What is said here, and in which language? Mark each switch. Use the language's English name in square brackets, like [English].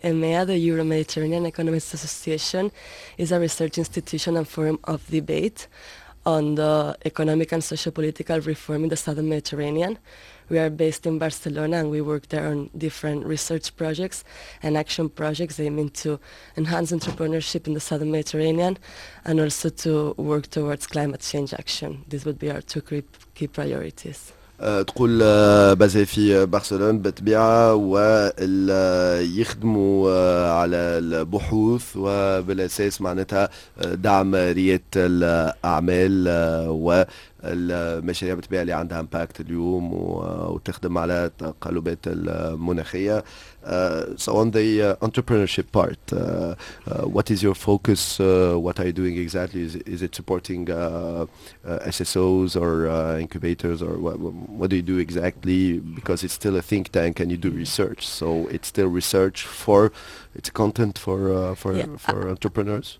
[English] EMEA, the Euro-Mediterranean Economist Association, is a research institution and forum of debate on the economic and socio-political reform in the Southern Mediterranean. We are based in Barcelona and we work there on different research projects and action projects aiming to enhance entrepreneurship in the Southern Mediterranean and also to work towards climate change action. These would be our two key priorities. [Arabic] تقول بازي في برشلونة بتبيع ويخدموا على البحوث وبالأساس معناتها دعم ريادة الأعمال والمشاريع بتبيع اللي عندها امباكت اليوم وتخدم على تقلبات المناخية. [English] So on the entrepreneurship part, what is your focus? What are you doing exactly? Is it supporting SSOs or incubators, or what do you do exactly? Because it's still a think tank and you do research, so it's still research for it's content for entrepreneurs.